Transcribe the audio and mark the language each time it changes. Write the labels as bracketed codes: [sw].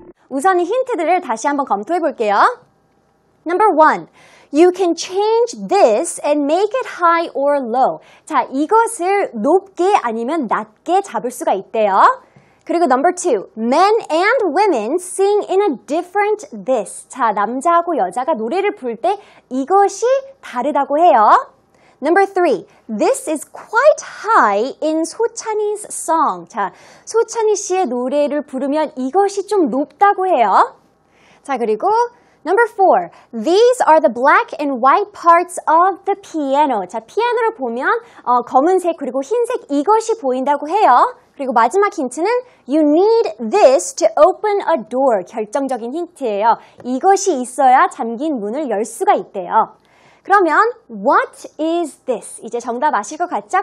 [ko] 우선 힌트들을 다시 한번 검토해 볼게요. [en] Number 1. You can change this and make it high or low. [ko] 자, 이것을 높게 아니면 낮게 잡을 수가 있대요. 그리고 number 2. [en] Men and women sing in a different this. [ko] 자, 남자하고 여자가 노래를 부를 때 이것이 다르다고 해요. [en] Number 3. This is quite high in 소찬이's song. [ko] 자, 소찬이 씨의 노래를 부르면 이것이 좀 높다고 해요. 자, 그리고 Number 4. [en] These are the black and white parts of the piano. [ko] 자, 피아노를 보면 검은색 그리고 흰색 이것이 보인다고 해요. 그리고 마지막 힌트는 [en] You need this to open a door. [ko] 결정적인 힌트예요. 이것이 있어야 잠긴 문을 열 수가 있대요. 그러면 [en] What is this? [ko] 이제 정답 아실 것 같죠?